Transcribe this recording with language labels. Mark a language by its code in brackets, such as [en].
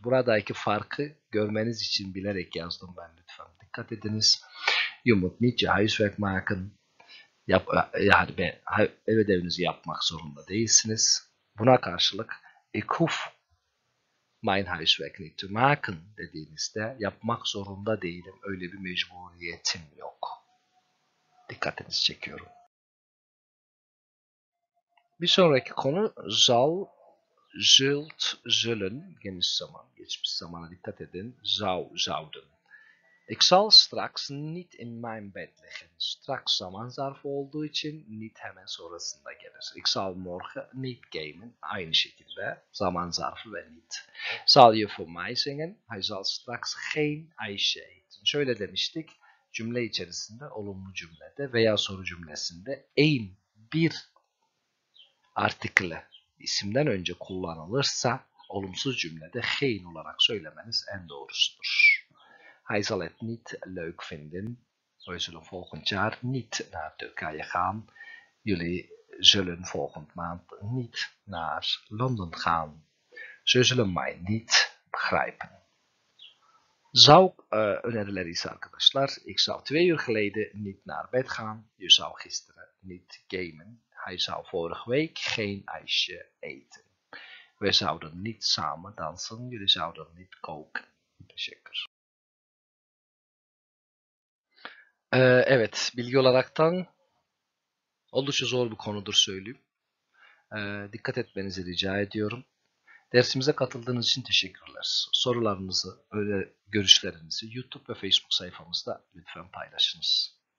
[tr] Buradaki farkı görmeniz için bilerek yazdım ben lütfen. Dikkat ediniz. [nl] Je moet niet je huiswerk maken. [tr] Yani ev ödevinizi yapmak zorunda değilsiniz. Buna karşılık, [nl] ik hoef mijn huiswerk niet te maken [tr] dediğinizde, yapmak zorunda değilim. Öyle bir mecburiyetim yok. Dikkatinizi çekiyorum. Bir sonraki konu zal, zult, zullen, geniş zaman, geçmiş zamana dikkat edin, zou, zouden. [nl] Ik zal straks niet in mijn bed liggen. [tr] Straks zaman zarfı olduğu için niet hemen sonrasında gelir. [nl] Ik zal morgen niet gamen. [tr] Aynı şekilde zaman zarfı ve niet. [nl] Zal je voor mij zingen? Hij zal straks geen ijsje eten. [tr] Şöyle demiştik, cümle içerisinde, olumlu cümlede veya soru cümlesinde een, bir artikeli isimden önce kullanılırsa olumsuz cümlede geen olarak söylemeniz en doğrusudur. [nl] Hij zal het niet leuk vinden. We zullen volgend jaar niet naar Turkije gaan. Jullie zullen volgend maand niet naar Londen gaan. Ze zullen mij niet begrijpen. Zou [tr] önerileri ise arkadaşlar, [nl] ik zou 2 uur geleden niet naar bed gaan. Je zou gisteren niet gamen. Hij zou vorige week geen ijsje eten. We zouden niet samen dansen. Jullie zouden niet koken. [tr] Teşekkür. Evet, bilgi olaraktan oldukça zor bir konudur söyleyeyim. Dikkat etmenizi rica ediyorum. Dersimize katıldığınız için teşekkürler. Sorularınızı, görüşlerinizi YouTube ve Facebook sayfamızda lütfen paylaşınız.